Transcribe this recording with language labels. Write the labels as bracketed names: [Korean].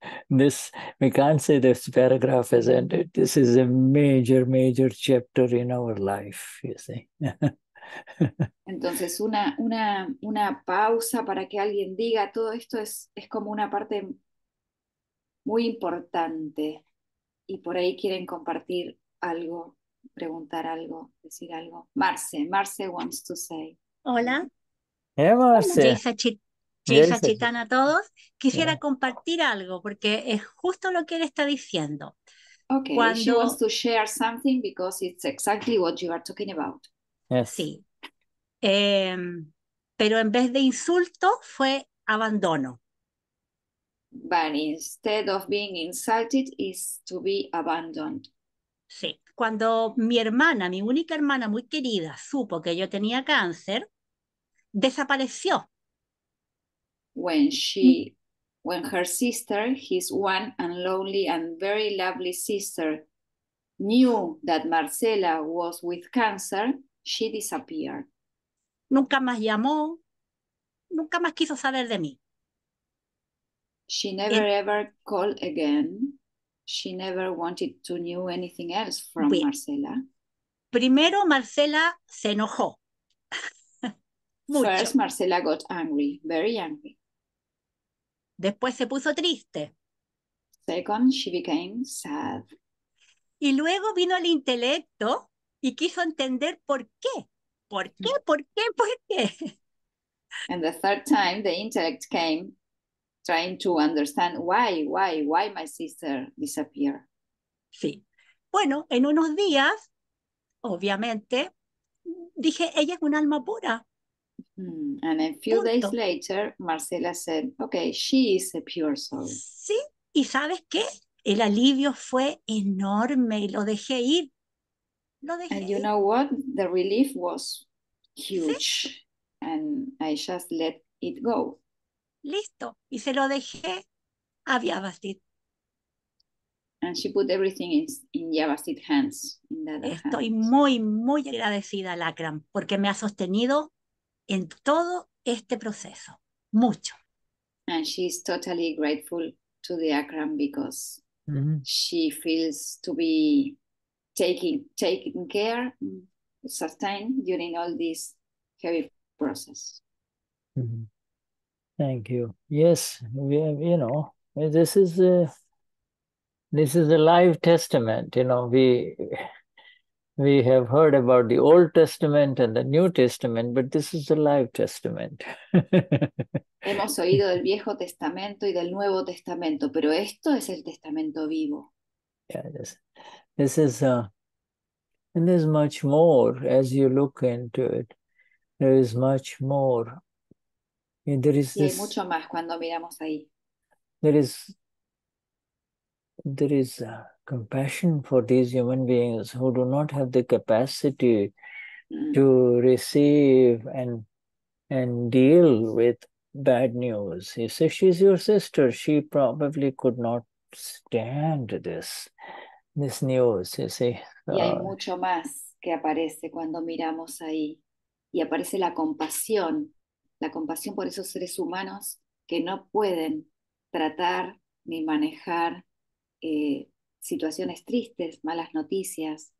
[English] This, we can't say this paragraph has ended. This is a major, major chapter in our life, you see. [Spanish] Entonces una pausa para que alguien diga todo esto es como una parte muy importante y por ahí quieren compartir algo, preguntar algo, decir algo. [English] Marce wants to say. [Spanish] Hola. [English] Hey, Marce. [Spanish] Jaisachitana a todos. Quisiera compartir algo porque es justo lo que él está diciendo. Okay, cuando... [English] she wants to share something because it's exactly what you are talking about. Yes. [Spanish] Sí, pero en vez de insulto fue abandono. [English] But instead of being insulted is to be abandoned. [Spanish] Sí, cuando mi hermana, mi única hermana muy querida, supo que yo tenía cáncer, desapareció. [English] When her sister, his one and lonely and very lovely sister, knew that Marcela was with cancer, she disappeared. [Spanish] Nunca más llamó, nunca más quiso saber de mí. [English] She never ever called again. She never wanted to know anything else from Marcela. [Spanish] Primero Marcela se enojó. [English] First Marcela got angry, very angry. [Spanish] Después se puso triste. [English] Second she became sad. [Spanish] Y luego vino el intelecto y quiso entender por qué. ¿Por qué? ¿Por qué? ¿Por qué? [English] And the third time the intellect came trying to understand why my sister disappeared. [Spanish] Sí. Bueno, en unos días, obviamente, dije, ella es un alma pura. [English] And a few days later, Marcela said, okay, she is a pure soul. [Spanish] Sí, ¿y sabes qué? El alivio fue enorme y lo dejé ir. [English] And you know what? The relief was huge. [Spanish] ¿Sí? [English] And I just let it go. [Spanish] Listo. Y se lo dejé a Vyavasthit. [English] And she put everything in Vyavasthit hands. In that [Spanish] Estoy [English] hands. [Spanish] Muy, muy agradecida a Lakram porque me ha sostenido en todo este proceso. Mucho. [English] And she's totally grateful to the Akram because she feels to be taking care, sustained during all this heavy process. Mm-hmm. Thank you. Yes, we have, you know, this is a live testament. You know, we have heard about the Old Testament and the New Testament, but this is a live testament. [Spanish] Hemos oído del Viejo Testamento y del Nuevo Testamento, pero esto es el testamento vivo. [English] Yes, this is, and there's much more as you look into it. There is much more. And there is [Spanish] y hay mucho más cuando miramos ahí. [English] There is compassion for these human beings who do not have the capacity to receive and deal with bad news. You say, she's your sister. She probably could not stand this news, you see. [Spanish] Y hay mucho más que aparece cuando miramos ahí. Y aparece la compasión por esos seres humanos que no pueden tratar ni manejar situaciones tristes, malas noticias.